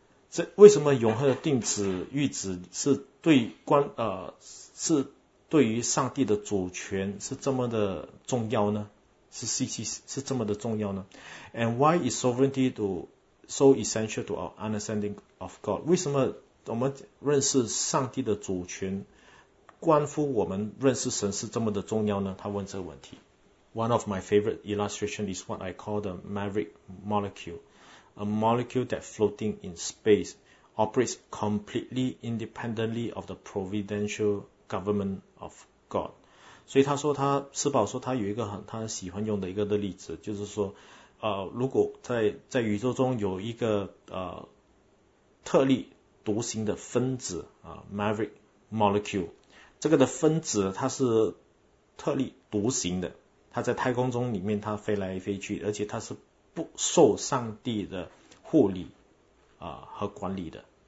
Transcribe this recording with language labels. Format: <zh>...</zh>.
<zh>这为什么永恒的定旨预旨是对是对于上帝的主权是这么的重要呢？是这么的重要呢</zh> <en>？And why is sovereignty so essential to our understanding of God？</en> <zh>为什么我们认识上帝的主权？关乎我们认识神是这么的重要呢？他问这个问题。</zh> <en>One of my favorite illustration is what I call the maverick molecule. A molecule that floating in space operates completely independently of the providential government of God.</en> <zh>所以他说他，施保说他有一个他很喜欢用的一个的例子，就是说如果在宇宙中有一个特立独行的分子</zh> <en>maverick molecule,</en> <zh>这个的分子它是特立独行的，它在太空中里面它飞来飞去，而且它是不受上帝的护理和管理的。</zh>